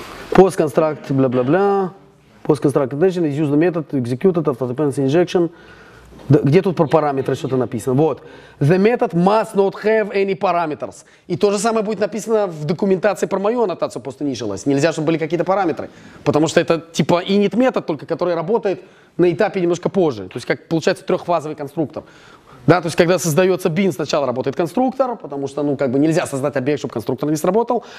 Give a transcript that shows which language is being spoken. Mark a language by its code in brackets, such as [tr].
[ru] PostConstruct, бла-бла-бла. [en] PostConstruct condition is used the method executed after dependency injection. [ru] Где тут про параметры что-то написано? Вот. [en] The method must not have any parameters. [ru] И то же самое будет написано в документации про мою аннотацию post-initialize. Нельзя, чтобы были какие-то параметры. Потому что это типа init метод только, который работает на этапе немножко позже. То есть как получается трехфазовый конструктор. Да, то есть когда создается bin, сначала работает конструктор, потому что ну как бы нельзя создать объект, чтобы конструктор не сработал.